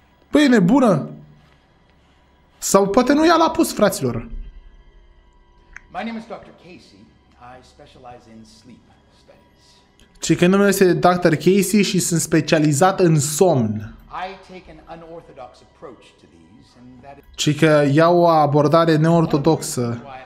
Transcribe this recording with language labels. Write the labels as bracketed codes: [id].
[ro] Băi, e nebună. Sau poate nu ea l-a pus, fraților. [en] My name is Dr. Casey. I specialize in sleep studies. [ro] Ci că numele este Dr. Casey și sunt specializat în somn. [en] I take an unorthodox approach to these and that is... [ro] Ci că iau o abordare neortodoxă.